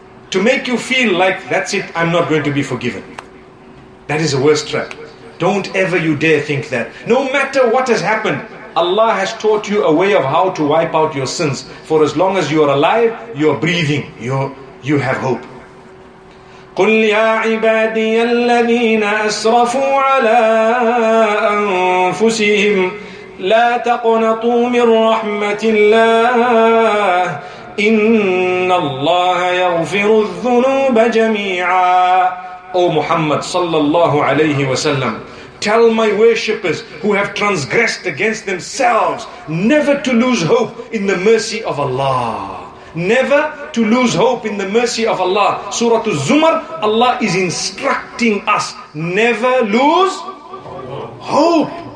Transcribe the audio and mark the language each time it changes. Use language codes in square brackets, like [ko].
[en] To make you feel like, that's it, I'm not going to be forgiven. That is the worst trap. Don't ever you dare think that. No matter what has happened, Allah has taught you a way of how to wipe out your sins. For as long as you are alive, you are breathing, you have hope. [ar] قل يا عبادي الذين أسرفوا على أنفسهم لا تقنطوا من رحمة الله إن الله يغفر الذنوب جميعا. [en] O Muhammad sallallahu alayhi wa sallam, tell my worshippers who have transgressed against themselves never to lose hope in the mercy of Allah. Never to lose hope in the mercy of Allah. Surah Az-Zumar, Allah is instructing us, never lose hope.